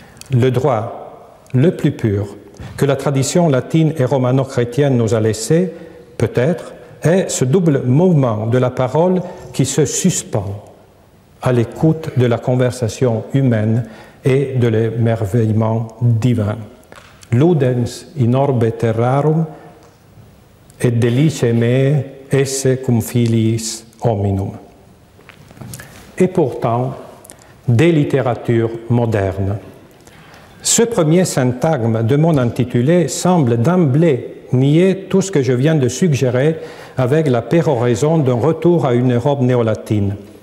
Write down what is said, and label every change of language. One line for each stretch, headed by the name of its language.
French: Le droit le plus pur que la tradition latine et romano-chrétienne nous a laissé, peut-être, est ce double mouvement de la parole qui se suspend à l'écoute de la conversation humaine et de l'émerveillement divin.
Latin: Ludens in orbe terrarum et delice mea esse cum filiis hominum.
French: Et pourtant, des littératures modernes. Ce premier syntagme de mon intitulé semble d'emblée nier tout ce que je viens de suggérer avec la péroraison d'un retour à une Europe néolatine.